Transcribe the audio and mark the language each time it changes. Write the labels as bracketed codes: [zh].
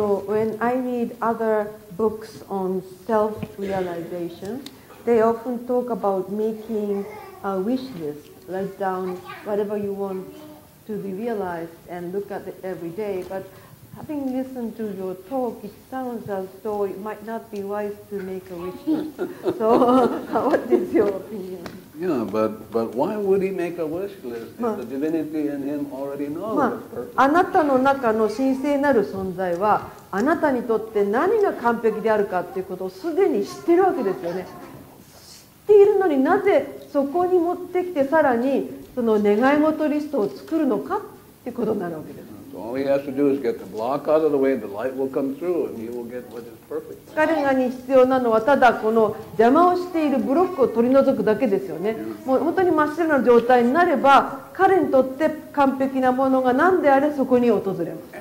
[en] No, when I read other books on self-realization, they often talk about making a wish list, write down whatever you want to be realized and look at it every day. But having listened to your talk, it sounds as though it might not be wise to make a wish list. So, what is your opinion? Yeah, but why would he make a wish list if the divinity in him already knows the purpose? [ja] あなたの中の神聖なる存在はあなたにとって何が完璧であるかっていうことをすでに知ってるわけですよね。知っているのになぜそこに持ってきてさらにその願い事リストを作るのかってことになるわけです。 [en] All he has to do is get the block out of the way, and the light will come through, and he will get what is perfect. [ja] 彼が必要なのはただこの邪魔をしているブロックを取り除くだけですよね。もう本当に真っ白な状態になれば、彼にとって完璧なものが何であれそこに訪れます。